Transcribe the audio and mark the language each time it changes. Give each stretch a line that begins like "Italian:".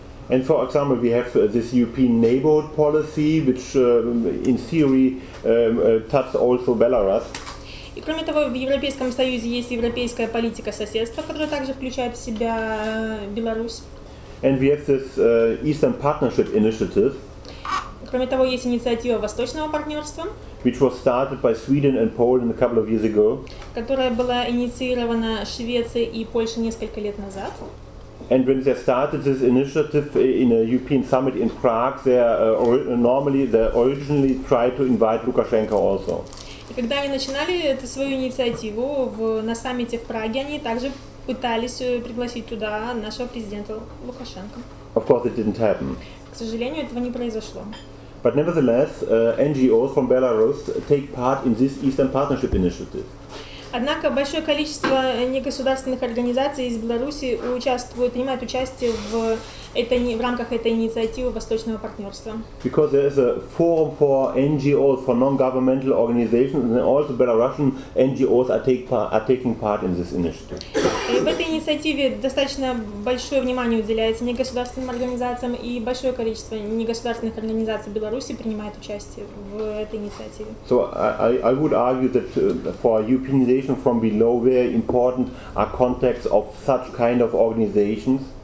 English: And for example, we have this European neighborhood policy, which in theory touches also Belarus.
Russian: И кроме того, в Европейском Союзе есть европейская политика соседства, которая также включает в себя Беларусь.
English: And we have this Eastern Partnership Initiative.
Russian: Кроме того, есть инициатива Восточного партнерства,
English: which was started by Sweden and Poland a couple of years ago,
Russian: которая была инициирована Швецией и Польшей несколько лет назад.
English: And when they started this initiative in a European summit in Prague, they originally tried to invite Lukashenko also.
Russian: И когда они начинали эту свою инициативу на саммите в Праге, они также пытались пригласить туда нашего президента Лукашенко.
English: Of course, it didn't happen.
Russian: К сожалению, этого не произошло.
English: But nevertheless, NGOs from Belarus take part in this Eastern Partnership Initiative.
Russian: Однако большое количество негосударственных организаций из Беларуси принимают участие в рамках этой инициативы Восточного партнерства.
English: Because there is a forum for NGOs, for non-governmental organizations, and also Belarusian NGOs are taking part in this initiative.
Russian: И в этой инициативе достаточно большое внимание уделяется негосударственным организациям, и большое количество негосударственных организаций Беларуси принимает участие в этой инициативе.
English: So I would argue that for Europeanization from below, very important are contacts of such kind of organizations.